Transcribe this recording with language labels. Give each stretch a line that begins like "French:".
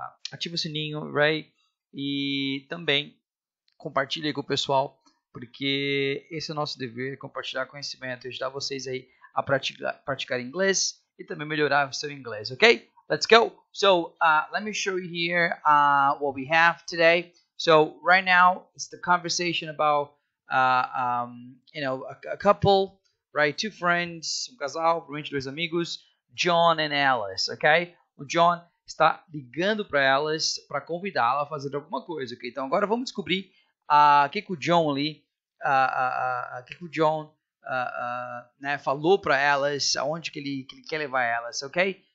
Portuguese: Ativa o sininho, right? E também compartilha aí com o pessoal, porque esse é o nosso dever, compartilhar conhecimento, ajudar vocês aí a praticar inglês e também melhorar o seu inglês, ok?
English: Let's go! So, let me show you here what we have today. So, right now, it's the conversation about, a couple, right? Two friends,
Portuguese: um casal, provavelmente dois amigos, John and Alice, ok? O John está ligando para elas para convidá-la a fazer alguma coisa, ok? Então agora vamos descobrir o que que o John ali, que o John, né, falou para elas, aonde que ele quer levar elas, ok?